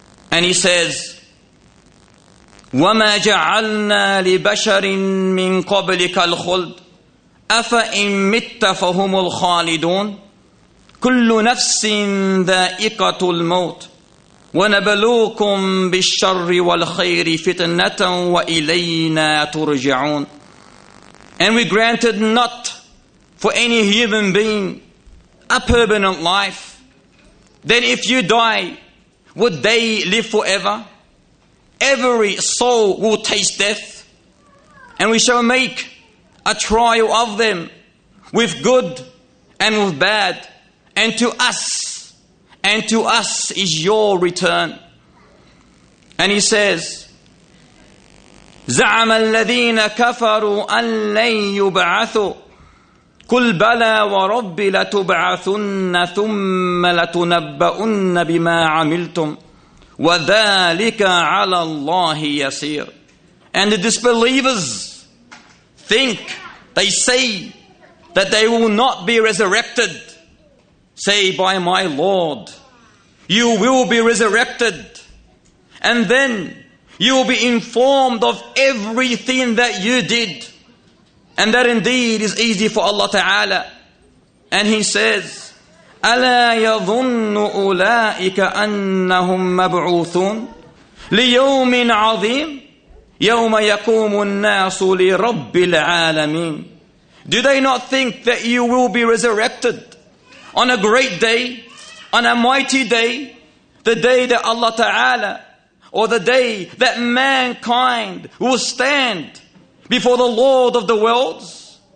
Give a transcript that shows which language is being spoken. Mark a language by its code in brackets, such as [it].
[en] And he says, [ar] وَمَا جَعَلْنَا لِبَشَرٍ مِّن قَبْلِكَ الْخُلْدِ أَفَإِن مِتَّ فَهُمُ الْخَالِدُونَ كُلُّ نَفْسٍ ذَائِقَةُ الْمَوْتِ وَنَبْلُوكُمْ بِالشَّرِّ وَالْخَيْرِ فِتْنَةً وَإِلَيْنَا تُرْجَعُونَ [en] And we granted not for any human being a permanent life. Then if you die, would they live forever? Every soul will taste death, and we shall make a trial of them with good and with bad. And to us is your return. And he says, [ar] زعم الذين كفروا أن لن يبعثوا قل بلى وربي لتبعثن ثم لتنبؤن بما عملتم وَذَٰلِكَ عَلَى اللَّهِ يَسِيرٌ [en] And the disbelievers think, they say, that they will not be resurrected. Say, by my Lord, you will be resurrected. And then you will be informed of everything that you did. And that indeed is easy for Allah Ta'ala. And He says, [ar] أَلَا يَظُنُّ أُولَٰئِكَ أَنَّهُمْ مَبْعُوثُونَ لِيَوْمٍ عَظِيمٍ يَوْمَ يَكُومُ النَّاسُ لِرَبِّ الْعَالَمِينَ [en] Do they not think that you will be resurrected on a great day, on a mighty day, the day that Allah Ta'ala, or the day that mankind will stand before the Lord of the worlds?